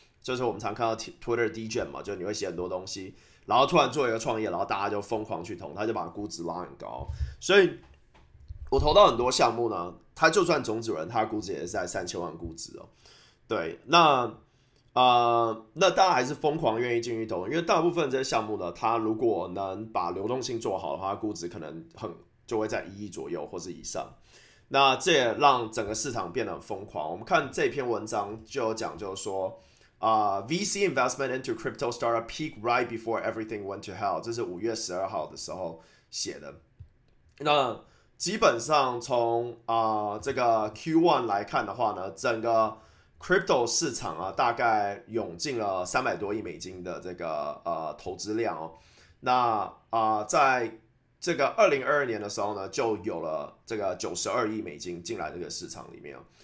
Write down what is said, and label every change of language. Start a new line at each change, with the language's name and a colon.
Chinese: 就是我们常看到 Twitter DGen 嘛，就你会写很多东西，然后突然做一个创业，然后大家就疯狂去投，他就把估值拉很高，所以我投到很多项目呢，他就算种子人，他估值也是在$30,000,000估值哦，对，那。那大家还是疯狂愿意进去投，因为大部分这些项目呢，它如果能把流动性做好的话，估值可能就会在1亿左右或是以上。那这也让整个市场变得很疯狂。我们看这篇文章就有讲，就是说
English: VC investment into crypto startup peak right before everything went to hell，
Chinese: 这是5月12号的时候写的。那基本上从这个 Q1 来看的话呢，整个 crypto 市场啊，大概涌进了300多亿美金的这个投资量哦。那在这个2022年的时候呢，就有了这个92亿美金进来这个市场里面。